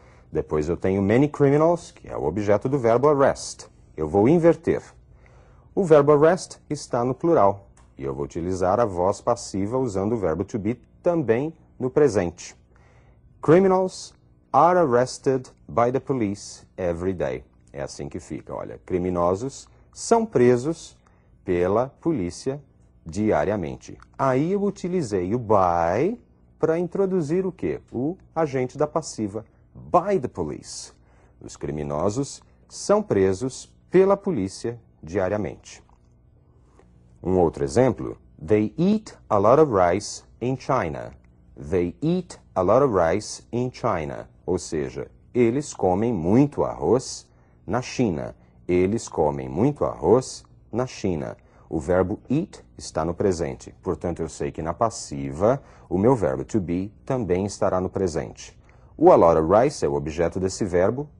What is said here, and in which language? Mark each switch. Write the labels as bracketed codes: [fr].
[pt] Depois eu tenho many criminals, que é o objeto do verbo arrest. Eu vou inverter. O verbo arrest está no plural. E eu vou utilizar a voz passiva usando o verbo to be também no presente. [en] Criminals are arrested by the police every day. [pt] É assim que fica. Olha, criminosos são presos pela polícia diariamente. Aí eu utilizei o by para introduzir o quê? O agente da passiva. [en] By the police. [pt] Os criminosos são presos pela polícia diariamente. Um outro exemplo: [en] They eat a lot of rice in China. They eat a lot of rice in China. [pt] Ou seja, eles comem muito arroz na China. Eles comem muito arroz na China. O verbo eat está no presente. Portanto, eu sei que na passiva, o meu verbo to be também estará no presente. O a lot of rice é o objeto desse verbo.